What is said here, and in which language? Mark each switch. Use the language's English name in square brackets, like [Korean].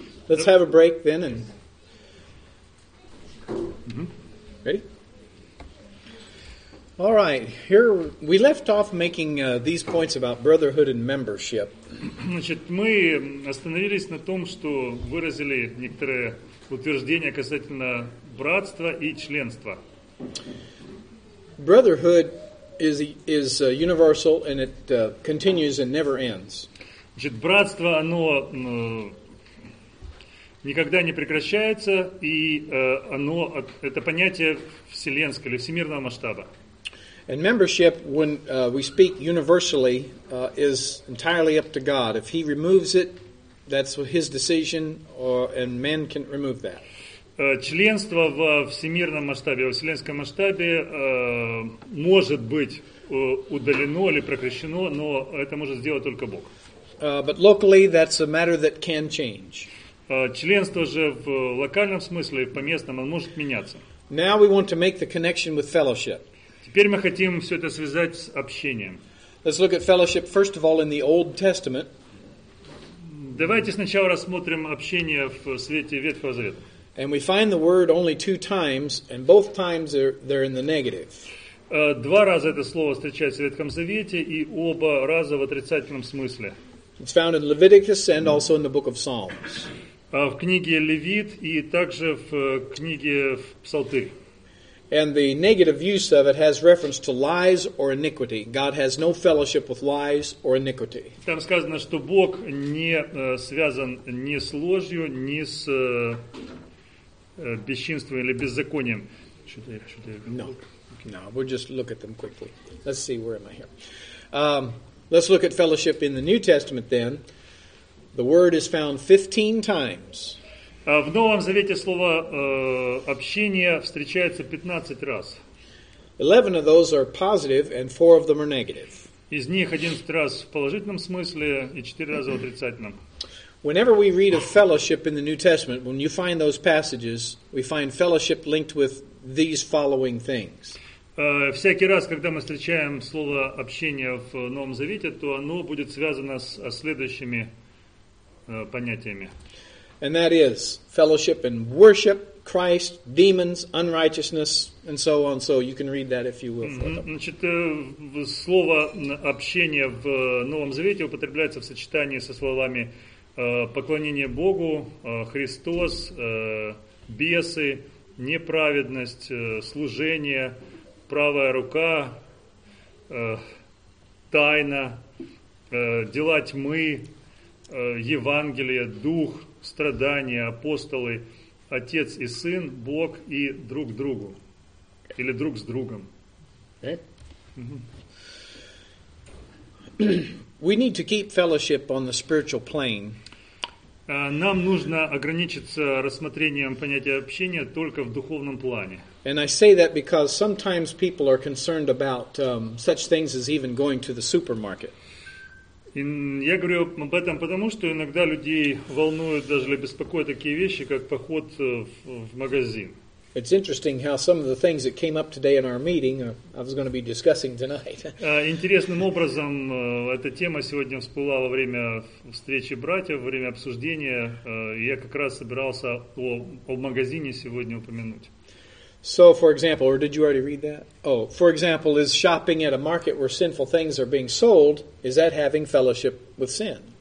[English] Let's have a break then and ready? All right. Here we left off making these points about brotherhood and membership. [Russian] Значит, мы остановились на том, что выразили некоторые утверждения касательно братства и членства. [English] Brotherhood is universal and it continues and never ends. [Russian] Значит, братство оно никогда не прекращается и оно это понятие вселенское или всемирного масштаба. [English] And membership, when we speak universally, is entirely up to God. If He removes it, that's His decision, and man can remove that. [Russian] Членство в всемирном масштабе, в вселенском масштабе, может быть удалено или прекращено, но это может сделать только Бог. [English] But locally, that's a matter that can change. [Russian] Членство же в локальном смысле, в поместном, оно может меняться. [English] Now we want to make the connection with fellowship. [Russian] Теперь мы хотим все это связать с общением. [English] Let's look at fellowship first of all in the Old Testament. [Russian] Давайте сначала рассмотрим общение в свете Ветхого Завета. [English] And we find the word only 2 times, and both times they're in the negative. [Russian] 2 раза это слово встречается в Ветхом Завете, и оба раза в отрицательном смысле. [English] It's found in Leviticus and also in the book of Psalms. [Russian] В книге Левит и также в книге Псалтырь. [English] And the negative use of it has reference to lies or iniquity. God has no fellowship with lies or iniquity. [Russian] Там сказано, что Бог не связан ни с ложью, ни с бесчинством или беззаконием. [English] No, we'll just look at them quickly. Let's see, where am I here? Let's look at fellowship in the New Testament then. The word is found 15 times. [Russian] В Новом Завете слово «общение» встречается 15 раз. [English] 11 of those are positive and 4 of them are negative. [Russian] Из них 11 раз в положительном смысле и 4 раза в отрицательном. [English] Whenever we read of fellowship in the New Testament, when you find those passages, we find fellowship linked with these following things. [Russian] Всякий раз, когда мы встречаем слово «общение» в Новом Завете, то оно будет связано с следующими понятиями. [English] And that is fellowship and worship, Christ, demons, unrighteousness, and so on. So you can read that if you will. [Russian] Значит, слово «общение» в Новом Завете употребляется в сочетании со словами «поклонение Богу», «Христос», «бесы», «неправедность», «служение», «правая рука», «тайна», «дела тьмы», «Евангелие», «дух», «страдания», «апостолы», «отец и сын», «Бог» и «друг другу» или «друг с другом». [English] We need to keep fellowship on the spiritual plane. [Russian] Нам нужно ограничиться рассмотрением понятия общения только в духовном плане. [English] And I say that because sometimes people are concerned about such things as even going to the supermarket. [Russian] И я говорю об этом потому, что иногда людей волнуют даже или беспокоят такие вещи, как поход в магазин. [English] It's interesting how some of the things that came up today in our meeting I was going to be discussing tonight. [Russian] Интересным образом эта тема сегодня всплыла во время встречи братьев, во время обсуждения, я как раз собирался о магазине сегодня упомянуть. [English] So, for example, or did you already read that? Oh, for example, is shopping at a market where sinful things are being sold, is that having fellowship with sin?